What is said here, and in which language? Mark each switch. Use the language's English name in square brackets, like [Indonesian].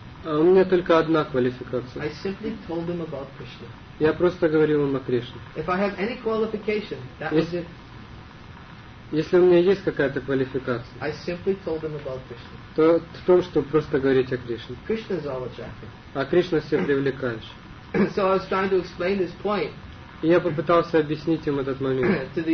[Russian] У меня только одна квалификация. [English] I simply told them about Krishna. [Russian] Я просто говорил им о Кришне. [English] If I have any qualification, that was it. [Russian] Если у меня есть какая-то квалификация, [English] I simply told them about Krishna. [Russian] То в том, чтобы просто говорить о Кришне. [English] Krishna is all attractive. [Russian] А Кришна все привлекающий. [English] So I was trying to explain this point. [Russian] И я попытался объяснить им этот момент.